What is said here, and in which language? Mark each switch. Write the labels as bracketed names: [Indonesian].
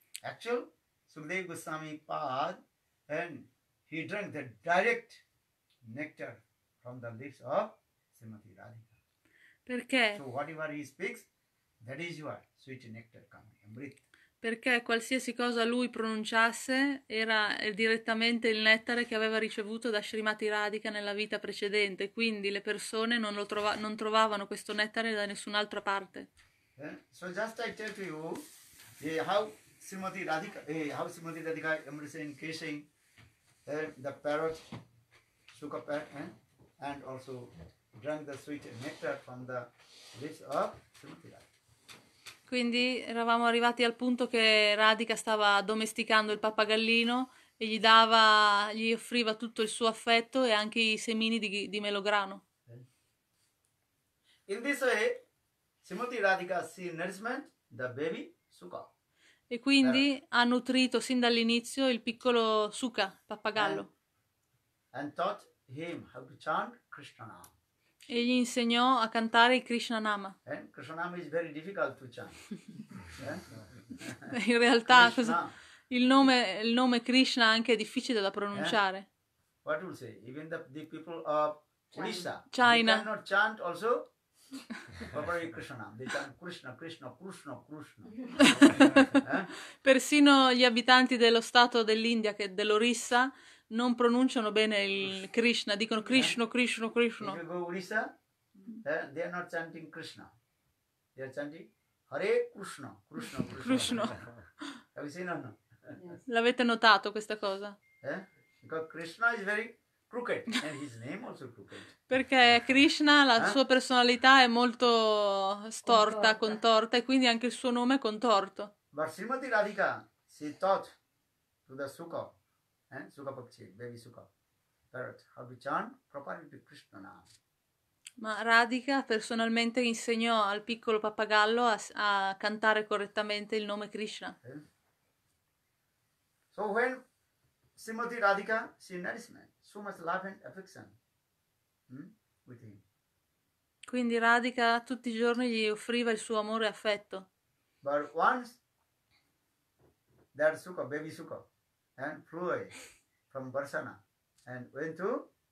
[English] Actually, Sukadeva Goswami Pad, and he drank the direct nectar from the lips of Srimati Radhika. [Italian] Perché? [English] So whatever he speaks, that is your sweet nectar coming, Amrit. [Italian] Perché qualsiasi cosa lui pronunciasse era direttamente il nettare che aveva ricevuto da Srimati Radhika nella vita precedente, quindi le persone non trovavano questo nettare da nessun'altra parte. [English] So just I tell to you how Srimati Radhika, how Srimati Radhika embracing, kissing the parrot, Shuka parrot, and also drank the sweet nectar from the lips of Srimati Radhika. [Italian] Quindi eravamo arrivati al punto che Radhika stava domesticando il pappagallino e gli offriva tutto il suo affetto e anche i semini di melograno. [English] In this way, Srimati Radhika she nourishment the baby Shuka [Italian] E quindi ha nutrito sin dall'inizio il piccolo Suka, pappagallo. [English] and taught him how to chant Krishna Nama. [Italian] E gli insegnò a cantare il Krishna Nama. [English] And Krishna Nama is very difficult to chant. [Italian] In realtà, Krishna. il nome Krishna anche è difficile da pronunciare. [English] What will say? Even the people of Odisha, they China. cannot chant also properly Krishna. They chant Krishna, Krishna, Krishna, Krishna. [Italian] Persino gli abitanti dello stato dell'India, che dell'Orissa, non pronunciano bene il Krishna. Krishna, dicono Krishna, Krishna, [English] If Krishna. you go Odisha, they are not chanting Krishna. They are chanting Hare Krishna, Krishna, Krishna. Krishna. Have you seen or no? [Italian] L'avete notato questa cosa? Perché [English] Because Krishna is very crooked and his name also crooked. [Italian] Krishna, la sua personalità è molto storta, contorta, e quindi anche il suo nome è contorto. [English] But Srimati Radhika, she taught to the Shuka, Shuka Pakshi, baby Shuka, parrot, how to chant properly to Krishna Nama. [Italian] Ma Radhika personalmente insegnò al piccolo pappagallo a cantare correttamente il nome Krishna. [English] So when Srimati Radhika, she nourishment, so much love and affection with him. [Italian] Quindi Radhika tutti i giorni gli offriva il suo amore e affetto. [English] But once that Shuka, baby Shuka, flew away from Barsana and went to